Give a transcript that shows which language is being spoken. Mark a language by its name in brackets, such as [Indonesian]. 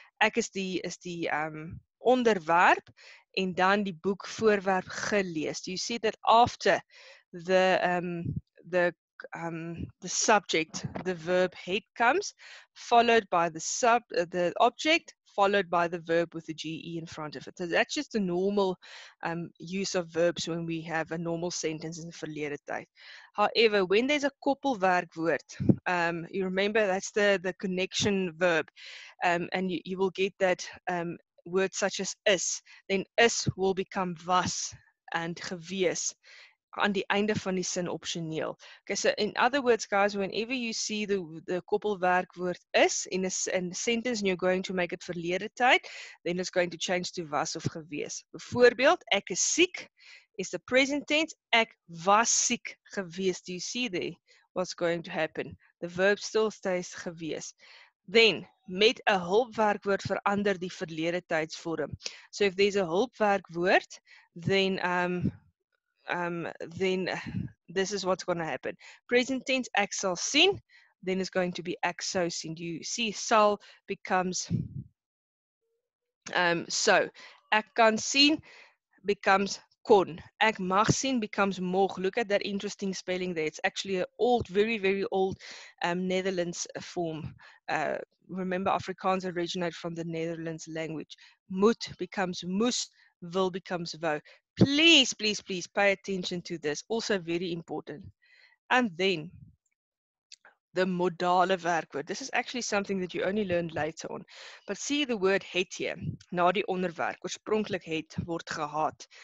[Afrikaans] Ek is die onderwerp en dan die boek voorwerp gelees. [English] Do you see that after the subject, the verb het comes, followed by the object, followed by the verb with the GE in front of it. So that's just the normal use of verbs when we have a normal sentence in the verlede tyd. However, when there's a koppelwerkwoord, you remember that's the connection verb, and you will get that word such as is, then is will become was and [Afrikaans] gewees aan die einde van die sin optioneel. [English] Okay, so in other words, guys, whenever you see the koppelwerkwoord is in a sentence and you're going to make it verlede tyd, then it's going to change to [Afrikaans] was of gewees. Bijvoorbeeld, ek is siek [English] is the present tense. [Afrikaans] Ek was siek gewees. [English] Do you see there what's going to happen? The verb still stays gewees. [Afrikaans] Then, met 'n hulpwerkwoord verander die verlede tydsvorm. [English] So if there's a hulpwerkwoord, then this is what's going to happen. Present tense, [Afrikaans] ek sal sien, [English] then it's going to be [Afrikaans] ek sou sien. [English] Do you see, sal becomes, so, [Afrikaans] ek kan sien [English] becomes kon. [Afrikaans] Ek mag sien [English] becomes mog. Look at that interesting spelling there. It's actually an old, very, very old Netherlands form. Remember, Afrikaans originated from the Netherlands language. Moet becomes moes, wil becomes wou. Please, please, please pay attention to this. Also very important. And then, the modale werkwoord. This is actually something that you only learn later on. But see the word het hier. [Afrikaans] Na die onderwerp, oorspronklik het, word gehad.